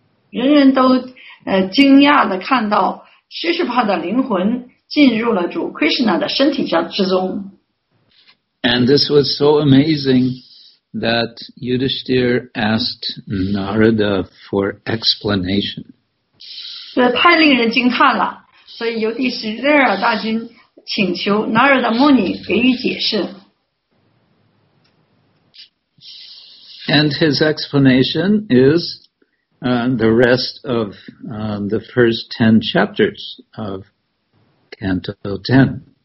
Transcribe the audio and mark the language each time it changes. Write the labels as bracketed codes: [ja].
[zh] 人人都惊讶地看到 Shishupal 的灵魂进入了主 Krishna 的身体之中。 [en] And this was so amazing that Yudhishthir asked Narada for explanation. [zh] 这太令人惊叹了。所以尤迪斯德尔大君请求纳尔达摩尼给予解释。 [en] And his explanation is the rest of the first 10 chapters of Canto 10.